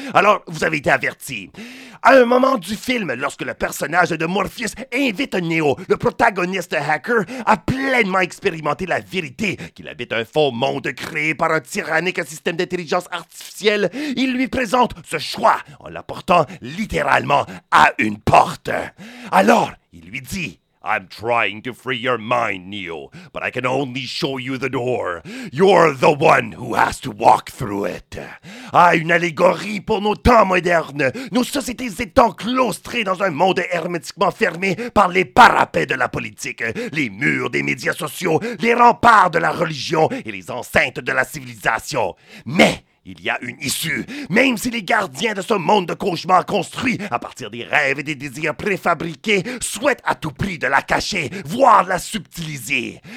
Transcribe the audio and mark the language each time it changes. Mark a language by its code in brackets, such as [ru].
[fr] Alors, vous avez été avertis. À un moment du film, lorsque le personnage de Morpheus invite Neo, le protagoniste hacker, à pleinement expérimenter la vérité qu'il habite un faux monde créé par un tyrannique système d'intelligence artificielle, il lui présente ce choix en l'apportant littéralement à une porte. Alors, il lui dit, [en] I'm trying to free your mind, Neo, but I can only show you the door. You're the one who has to walk through it. [fr] Ah, une allégorie pour nos temps modernes. Nos sociétés étant claustrées dans un monde hermétiquement fermé par les parapets de la politique, les murs des médias sociaux, les remparts de la religion et les enceintes de la civilisation. Mais il y a une issue, même si les gardiens de ce monde de cauchemar construit à partir des rêves et des désirs préfabriqués souhaitent à tout prix de la cacher, voire la subtiliser.